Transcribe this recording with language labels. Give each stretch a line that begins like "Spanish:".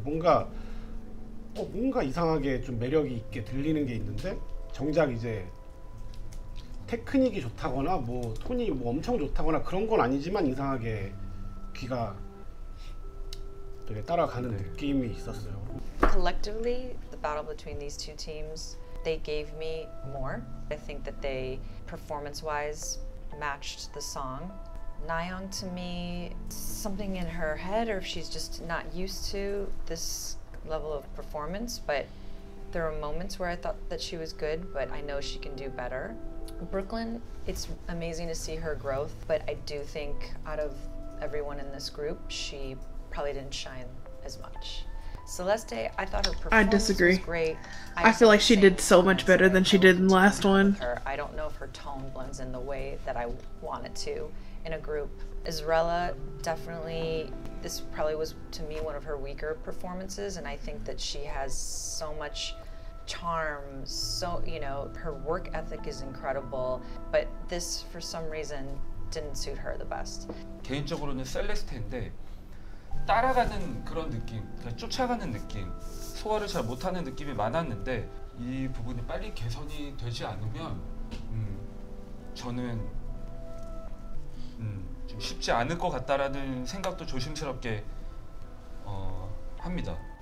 Korean: 뭔가 이상하게 좀 매력이 있게 들리는 게 있는데 정작 이제 테크닉이 좋다거나 뭐 톤이 뭐 엄청 좋다거나 그런 건 아니지만 이상하게 귀가 되게 따라가는 느낌이 있었어요.
English: Collectively, the battle between these two teams, they gave me more. I think that they performance-wise matched the song. Nayeon, to me, something in her head, or if she's just not used to this level of performance, but there are moments where I thought that she was good, but I know she can do better. Brooklyn, it's amazing to see her growth, but I do think out of everyone in this group, she probably didn't shine as much. Celeste, I thought her performance was great. I feel like she did so much better than she did in the last one. I don't know if her tone blends in the way that I want it to in a group. Isrella, definitely, this probably was to me one of her weaker performances, and I think that she has so much charm, so, you know, her work ethic is incredible, but this for some reason didn't suit her the best.
Korean: 개인적으로는 셀레스테인데 따라가는 그런 느낌, 그러니까 쫓아가는 느낌, 소화를 잘 못하는 느낌이 많았는데 이 부분이 빨리 개선이 되지 않으면 저는 좀 쉽지 않을 것 같다라는 생각도 조심스럽게 합니다.